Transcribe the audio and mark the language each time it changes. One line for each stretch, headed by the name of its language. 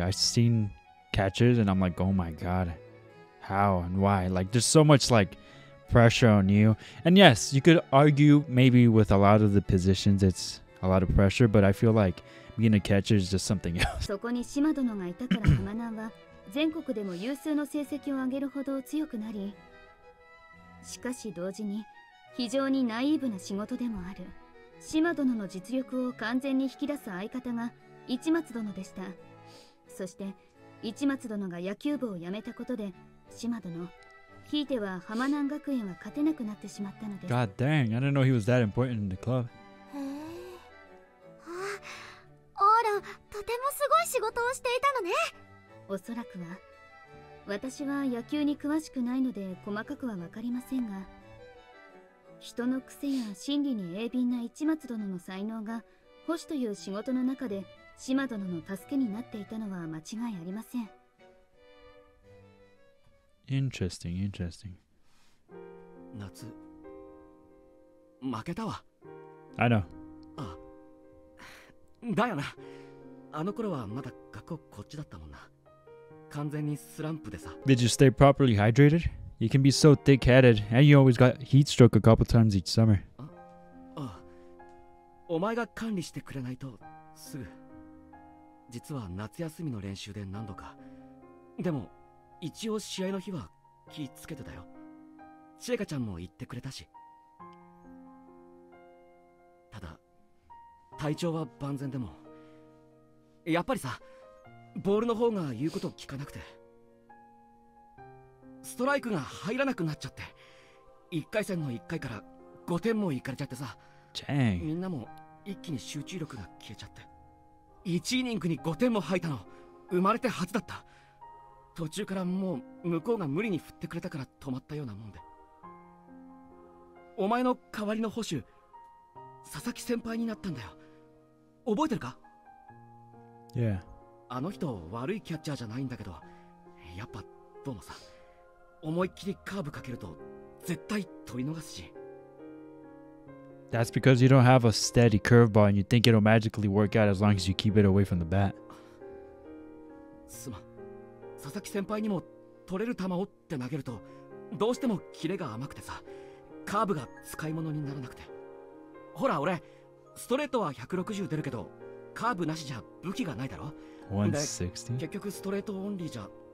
English: I've seencatches and I'm like, oh my god, how and why? Like, there's so much like pressure on you. And yes, you could argue maybe with a lot of the positions it's a lot of pressure, but I feel like being a catcher is just something else.
Japanese: そこに島殿がいたから浜南は全国でも有数の成績を上げるほど強くなり、しかし同時に非常にナイーブな仕事でもある。島殿の実力を完全に引き出す相方が市松殿でした。そして市松殿が野球部を辞めたことで、島殿、ひいては浜南学園は勝てなくなってしまったのです。
English: God dang, I didn't know he was that important in the club.
Japanese: へぇ。オーロ、とてもすごい仕事をしていたのね。おそらくは。私は野球に詳しくないので、細かくはわかりませんが、人の癖や心理に鋭敏な市松殿の才能が、保守という仕事の中で、島殿の助けになっていたのは間違いありません。
English: Interesting, interesting.
Japanese: 夏、負けたわ。
English: I know.
Japanese: あ、だよな。あの頃はまだ学校こっちだったもんな。完全にスランプでさ。
English: Did you stay properly hydrated? You can be so thick-headed, and you always got heat stroke a couple times each summer.
Japanese: あ、お前が管理してくれないとすぐ。実は夏休みの練習で何度か。でも一応試合の日は気をつけてたよ。シェカちゃんも言ってくれたし。ただ体調は万全でも。やっぱりさ、ボールの方が言うことを聞かなくて。ストライクが入らなくなっちゃって、1回戦の1回から5点もいかれちゃってさ。みんなも一気に集中力が消えちゃって。1イニングに5点も入ったの、生まれて初だった。途中からもう向こうが無理に振ってくれたから止まったようなもんで。お前の代わりの捕手、佐々木先輩になったんだよ。覚えてるか？
English: Yeah.
Japanese: あの人、悪いキャッチャーじゃないんだけど、やっぱどうもさ、思いっきりカーブかけると絶対取り逃すし。
English: That's because you don't have a steady curveball and you think it'll magically work out as long as you keep it away from the bat.
Japanese: すまん。佐々木先輩にも取れる球をって投げると、どうしてもキレが甘くてさ、カーブが使い物にならなくて。ほら俺、ストレートは160出るけど、カーブなしじゃ武器がないだろ。 160? 結局ストレートオンリーじゃ。